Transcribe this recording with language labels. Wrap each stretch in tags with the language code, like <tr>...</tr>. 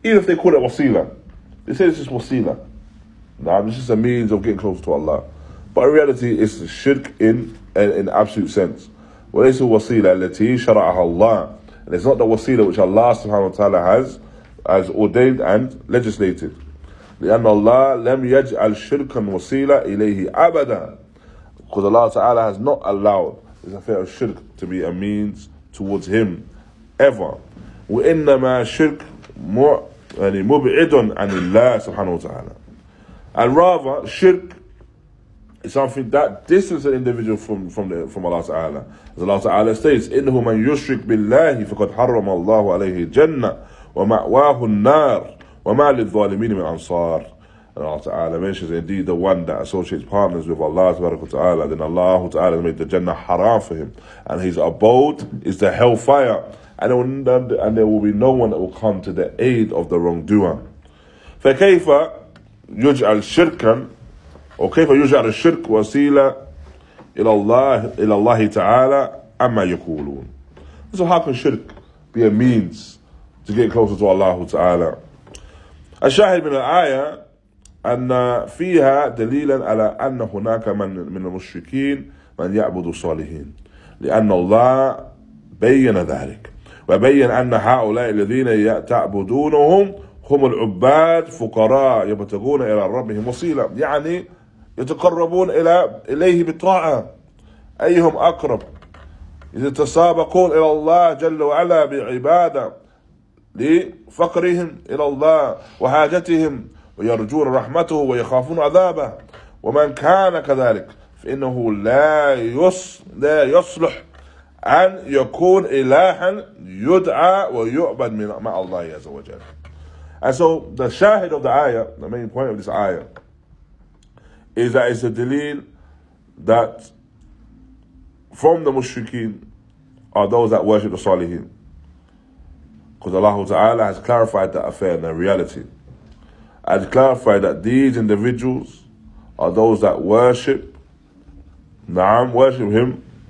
<en>Even if they call it wasila, they say this is wasila. Na'am, this is a means of getting close to Allah. But in reality, it's shirk in absolute sense.</en> <ar>Wa laysa wasila allati shara'aha Allah.</ar> <en>And it's not the wasila which Allah subhanahu wa ta'ala has ordained and legislated.</en> <ar>لأن الله لم يجعل شركا وسيلة إليه أبدا.</ar> <en>Because Allah Ta'ala has not allowed this affair of shirk to be a means towards him ever.</en> <ar>وإنما شرك مبعد عن الله سبحانه وتعالى.</ar> <en>And rather, shirk is something that distances an individual from Allah Ta'ala. As Allah Ta'ala states,</en> <ar>إنه من يشرك بالله فقد حرم الله عليه الجنة ومأواه النار. وَمَا لِلظَّالِمِينِ مِنْ أَنصَارِ.</ar> <en>And Allah Ta'ala mentions indeed the one that associates partners with Allah Ta'ala, then Allah Ta'ala made the Jannah haram for him. And his abode is the hellfire. And there will be no one that will come to the aid of the wrongdoer.</en> <ar>فَكَيْفَ يُجْعَ الشِّرْكًا وَكَيْفَ يُجْعَ الشِّرْكُ وَسِيلًا إِلَى اللَّهِ تَعَالَى أَمَّا يَكُولُونَ.</ar> <en>So how can shirk be a means to get closer to Allah Ta'ala?</en> <ar>الشاهد من الآية أن فيها دليلا على أن هناك من المشركين من يعبد الصالحين لأن الله بين ذلك وبين أن هؤلاء الذين تعبدونهم هم العباد فقراء يبتغون إلى ربهم وسيلة يعني يتقربون إليه بطاعة أيهم أقرب يتسابقون إلى الله جل وعلا بعبادة لفقرهم إلى الله وحاجتهم ويرجون رحمته ويخافون عذابه ومن كان كذلك فإنه لا يصلح أن يكون إلها يدعى ويعبد من مع الله عز وجل.</ar> <en>And so the shahid of the ayah, the main point of this ayah, is that it's a delil that from the mushrikeen are those that worship the salihin. Because Allah Ta'ala has clarified that affair in the reality. And clarified that these individuals are those that worship, na'am, worship him.</en>